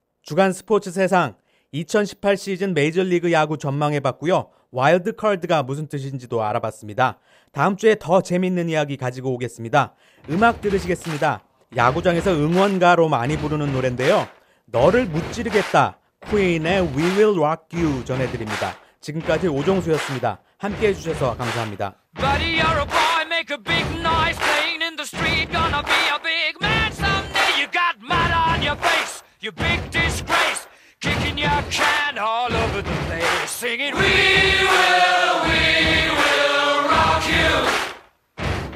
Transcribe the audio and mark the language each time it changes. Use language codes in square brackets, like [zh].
[ko] 주간 스포츠 세상, 2018 시즌 메이저리그 야구 전망해봤고요. 와일드카드가 무슨 뜻인지도 알아봤습니다. 다음 주에 더 재밌는 이야기 가지고 오겠습니다. 음악 들으시겠습니다. 야구장에서 응원가로 많이 부르는 노래인데요. 너를 무찌르겠다. 퀸의 We Will Rock You 전해드립니다. 지금까지 오종수였습니다. 함께해 주셔서 감사합니다. [en] Buddy, you're a boy, make a big noise, playing in the street, gonna be a big man someday. You got mud on your face, you big disgrace, kicking your can all over the place, singing We will, we will rock you.